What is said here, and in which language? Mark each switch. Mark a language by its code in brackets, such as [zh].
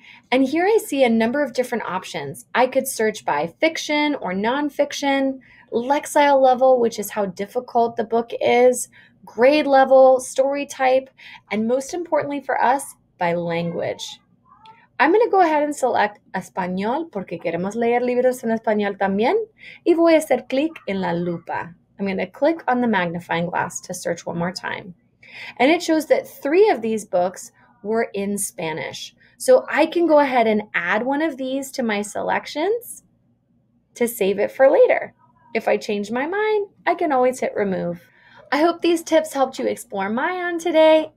[en] And here I see a number of different options. I could search by fiction or nonfiction, Lexile level, which is how difficult the book is, grade level, story type, and most importantly for us, by language. I'm going to go ahead and select [es] Español porque queremos leer libros en español también, y voy a hacer clic en la lupa. [en] I'm going to click on the magnifying glass to search one more time. And it shows that three of these books were in Spanish. So I can go ahead and add one of these to my selections to save it for later. If I change my mind, I can always hit remove. I hope these tips helped you explore Myon today.